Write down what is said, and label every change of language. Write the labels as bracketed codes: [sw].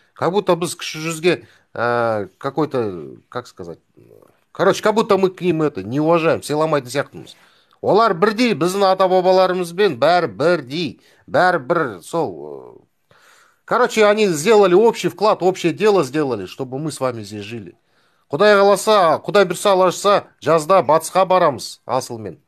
[ru] Как будто [kk] біз кіші жүзге [ru] какой-то, как сказать, короче, как будто мы к ним это не уважаем, [kk] сыйламайтын сияқтымыз. Олар бірдей, біздің ата бабаларымызбен бәрі бірдей, бәрі бір сол. [ru] Короче, они сделали общий вклад, общее дело сделали, чтобы мы с вами здесь жили. [kk] Құдай қаласа, құдай бұйырса, алашса, жазда батысқа барамыз асылмен.